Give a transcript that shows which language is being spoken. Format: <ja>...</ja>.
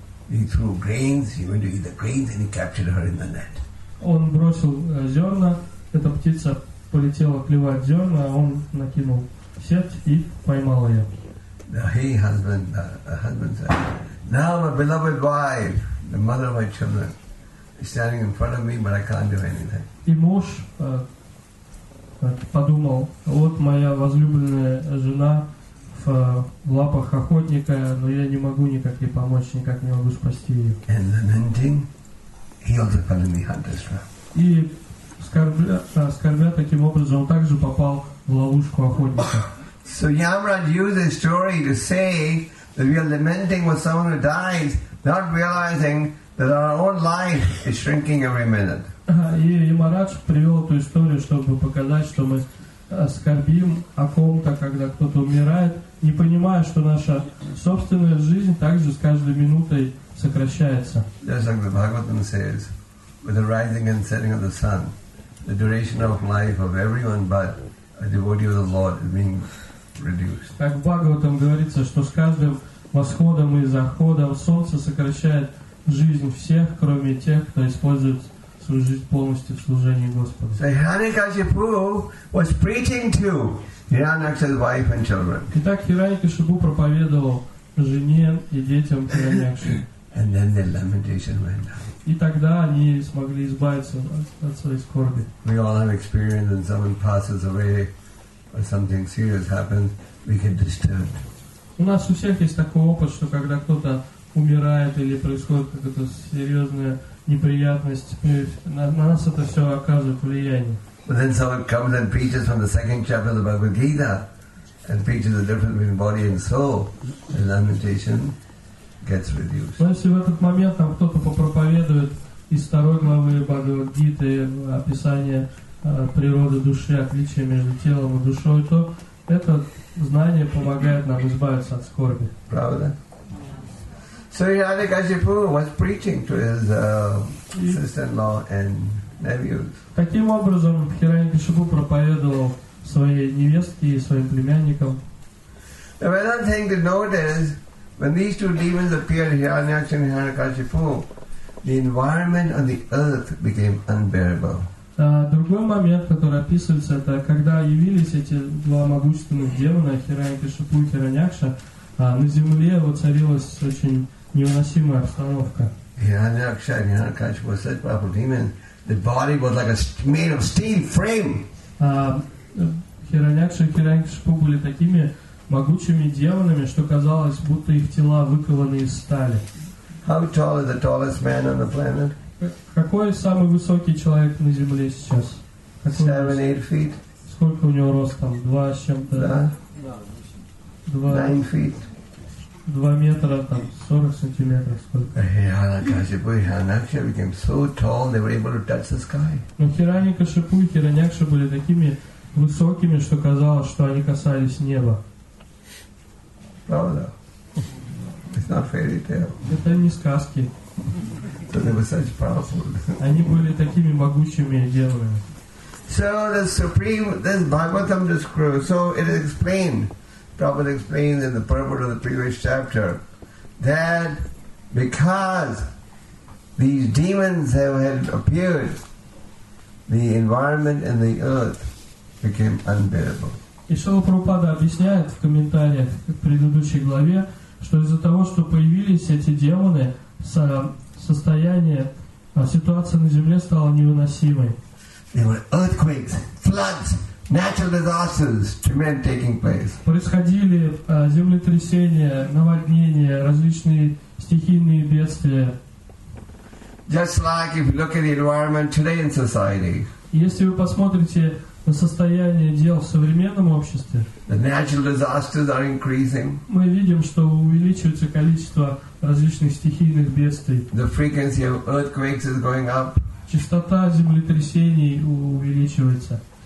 <en>He threw grains, he went to eat the grains and he captured her in the net.</en> <ru>Он бросил зерна, эта птица полетела клевать зерна, а он накинул сеть и поймал ее.</ru> <en>Now he, husband said, "Now my beloved wife, the mother of my children, is standing in front of me, but I can't do anything."</en> <ru>И муж подумал, вот моя возлюбленная жена в лапах охотника, но я не могу никак ей помочь, никак не могу спасти ее.</ru> <en>And lamenting, he also fell in the hunter's trap.</en> <ru>И скорбя таким образом, он также попал в ловушку охотника.</ru> <en>So Yamraj used his story to say that we are lamenting when someone who dies, not realizing That our own life is shrinking every minute.</en> <ru>И Марадж привел эту историю, чтобы показать, что мы скорбим о ком-то, когда кто-то умирает, не понимая, что наша собственная жизнь также с каждой минутой сокращается.</ru> <en>Just like the Bhagavatam says, with the rising and setting of the sun, the duration of life of everyone but a devotee of the Lord is being reduced.</en> <ru>Как в Бхагаватам говорится, что с каждым восходом и заходом солнце сокращает жизнь всех, кроме тех, кто использует свою жизнь полностью в служении Господу.</ru> <en>So Hiranyakashipu was preaching to Hiranyaksha's wife and children.</en> <ru>Итак, Хираньякашипу проповедовал жене и детям Хираньякши.</ru> <en>And then their lamentation went down.</en> <ru>И тогда они смогли избавиться от своей скорби.</ru> <en>We all have experience when someone passes away or something serious happens, we get disturbed.</en> <ru>У нас у всех есть такой опыт, что когда кто-то умирает или происходит какая-то серьезная неприятность, на нас это все оказывает влияние.</ru> <en>But then someone comes and preaches from the second chapter of the Bhagavad Gita and preaches the difference between body and soul, the lamentation gets reduced.</en> <ru>Но если в этот момент там кто-то попроповедует из второй главы Бхагавад Гиты описание природы души, отличия между телом и душой, то это знание помогает нам избавиться от скорби. Правда?</ru> <en>So Hiranyakashipu was preaching to his sister-in-law and nephews.</en> <ru>Таким образом, Хираньякашипу проповедовал своей невестке и своим племянникам.</ru> <en>The relevant thing to note is when these two demons appeared, Hiranyaksha and Hiranyakashipu, the environment on the earth became unbearable.</en> <ru>Другой момент, который описывается, это когда явились эти два могущественных демона, Хираньякашипу и Хираньякша, на земле воцарилась очень невыносимая обстановка.</ru> <en>Hiranyaksha and Hiranyakashipu were such powerful demons, the body was like a made of steel frame.</en> <ru>Хираньякша и Хиранькашипу были такими могучими демонами, что казалось, будто их тела выкованы из стали.</ru> <en>How tall is the tallest man on the planet?</en> <ru>Какой самый высокий человек на Земле сейчас?</ru> <en>7-8 feet.</en> <ru>Сколько у него ростом? 2 с чем-то? Да.</ru> <en>9 feet.</en> <ru>2 метра, там, 40 сантиметров. Сколько?</ru> <en>Hiranyakashipu became so tall, they were able to touch the sky.</en> <ru>Но Хиранькашипу и Хиранякша были такими высокими, что казалось, что они касались неба. Правда?</ru> <en>It's not fairy tale.</en> <ru>Это не сказки.</ru> <en>So they were such powerful.</en> <ru>Они были такими могучими демонами.</ru> <en>So the supreme, this Bhagavatam describes. So it is explained. Prabhupada explained in the purport of the previous chapter that because these demons had appeared, the environment in the earth became unbearable.</en> <ru>И Шрила Прабхупада объясняет в комментариях к предыдущей главе, что из-за того, что появились эти демоны, состояние, ситуация на земле стала невыносимой.</ru> <en>There were earthquakes, floods, natural disasters, tremendous taking place.</en> <ru>Происходили землетрясения, наводнения, различные стихийные бедствия.</ru> <en>Just like if you look at the environment today in society.</en> <ru>Если вы посмотрите на состояние дел в современном обществе,</ru> <en>the natural disasters are increasing.</en> <ru>Мы видим, что увеличивается количество различных стихийных бедствий.</ru> <en>The frequency of earthquakes is going up.</en> <ru>Частота землетрясений увеличивается.</ru>